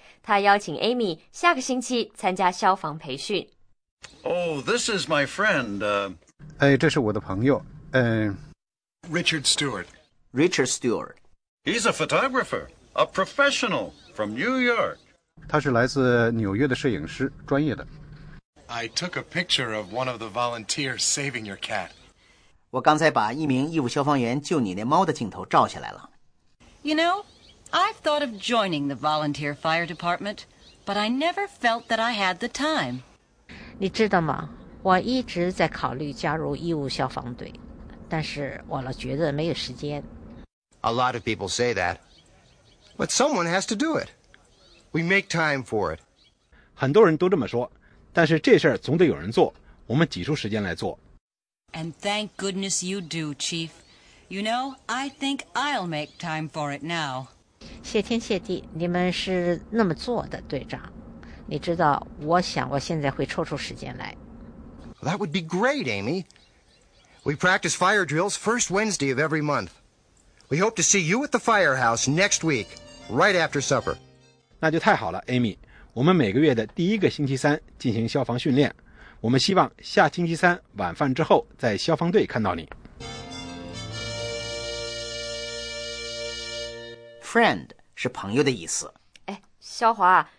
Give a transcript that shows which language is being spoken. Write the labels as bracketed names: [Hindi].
[Chinese] 他邀请 Amy 下个星期参加消防培训。 [English] Oh, this is my friend. [Chinese] 哎，这是我的朋友。 [English] Richard Stewart. Richard Stewart. He's a photographer, a professional from New York. [Chinese] 他是来自纽约的摄影师，专业的。 [English] I took a picture of one of the volunteers saving your cat. [Chinese] 我刚才把一名义务消防员救你那猫的镜头照下来了。 [English] You know, I've thought of joining the volunteer fire department, but I never felt that I had the time. [Chinese] 你知道吗？我一直在考虑加入义务消防队，但是我老觉得没有时间。 [English] A lot of people say that, but someone has to do it. We make time for it. [Chinese] 很多人都这么说，但是这事儿总得有人做，我们挤出时间来做。 [English] And thank goodness you do, Chief. You know, I think I'll make time for it now. [Chinese] 谢天谢地，你们是那么做的，队长。你知道，我想我现在会抽出时间来。 [English] That would be great, Amy. We practice fire drills first Wednesday of every month. We hope to see you at the firehouse next week, right after supper. [Chinese] 那就太好了 ，Amy。我们每个月的第一个星期三进行消防训练。我们希望下星期三晚饭之后在消防队看到你。 Friend 是朋友的意思。哎，肖华。